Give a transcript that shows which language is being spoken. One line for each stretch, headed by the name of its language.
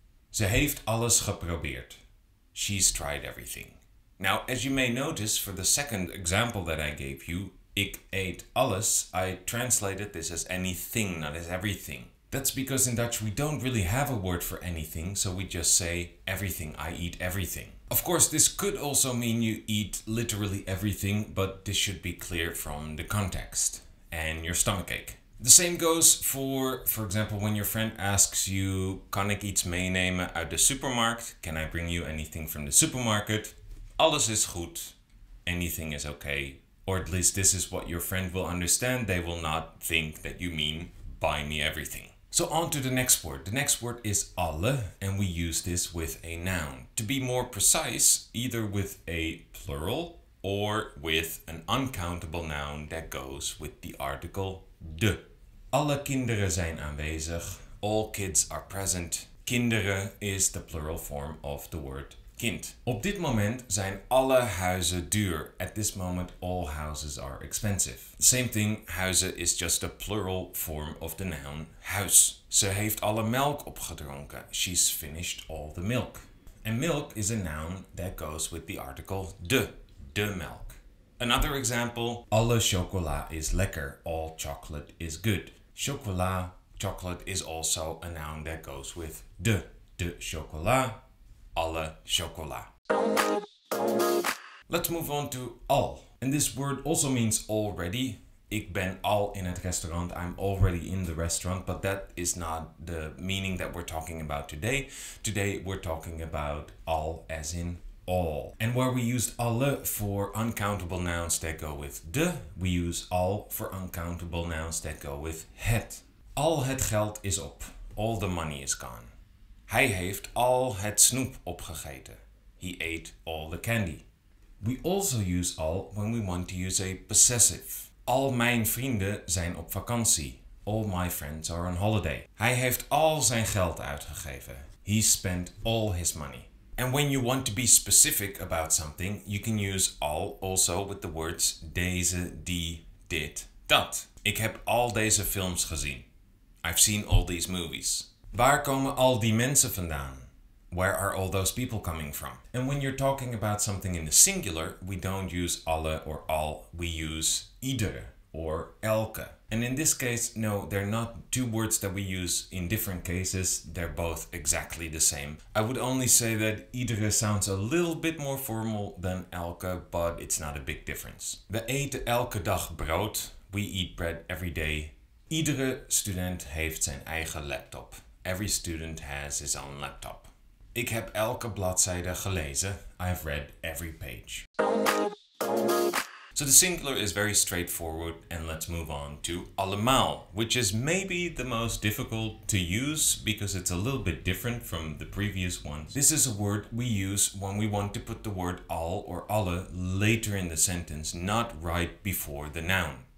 Dutch: Ze heeft alles geprobeerd.
English: She's tried everything. Now, as you may notice, for the second example that I gave you,
Dutch: ik eet alles,
English: I translated this as anything, not as everything. That's because in Dutch we don't really have a word for anything, so we just say everything, I eat everything. Of course, this could also mean you eat literally everything, but this should be clear from the context and your stomachache. The same goes for example, when your friend asks you,
Dutch: kan ik iets meenemen uit de supermarkt?
English: Can I bring you anything from the supermarket?
Dutch: Alles is goed.
English: Anything is okay. Or at least this is what your friend will understand. They will not think that you mean buy me everything. So on to the next word. The next word is alle, and we use this with a noun. To be more precise, either with a plural or with an uncountable noun that goes with the article de.
Dutch: Alle kinderen zijn aanwezig.
English: All kids are present. Kinderen is the plural form of the word kind.
Dutch: Op dit moment zijn alle huizen duur.
English: At this moment, all houses are expensive. Same thing, huizen is just a plural form of the noun huis.
Dutch: Ze heeft alle melk opgedronken.
English: She's finished all the milk. And milk is a noun that goes with the article de melk. Another example,
Dutch: alle chocola is lekker.
English: All chocolate is good. Chocola, chocolate is also a noun that goes with de chocola.
Dutch: Alle chocola.
English: Let's move on to al. And this word also means already.
Dutch: Ik ben al in het restaurant.
English: I'm already in the restaurant. But that is not the meaning that we're talking about today. Today we're talking about al as in all. And where we used alle for uncountable nouns that go with de, we use al for uncountable nouns that go with het.
Dutch: Al het geld is op.
English: All the money is gone.
Dutch: Hij heeft al het snoep opgegeten.
English: He ate all the candy. We also use al when we want to use a possessive.
Dutch: Al mijn vrienden zijn op vakantie.
English: All my friends are on holiday.
Dutch: Hij heeft al zijn geld uitgegeven.
English: He spent all his money. And when you want to be specific about something, you can use al also with the words deze, die, dit, dat.
Dutch: Ik heb al deze films gezien.
English: I've seen all these movies.
Dutch: Waar komen al die mensen vandaan?
English: Where are all those people coming from? And when you're talking about something in the singular, we don't use alle or al, we use iedere or elke. And in this case, no, they're not two words that we use in different cases. They're both exactly the same. I would only say that iedere sounds a little bit more formal than elke, but it's not a big difference.
Dutch: We eten elke dag brood.
English: We eat bread every day.
Dutch: Iedere student heeft zijn eigen laptop.
English: Every student has his own laptop.
Dutch: Ik heb elke bladzijde gelezen.
English: I have read every page. So the singular is very straightforward, and let's move on to allemaal, which is maybe the most difficult to use because it's a little bit different from the previous ones. This is a word we use when we want to put the word al or alle later in the sentence, not right before the noun.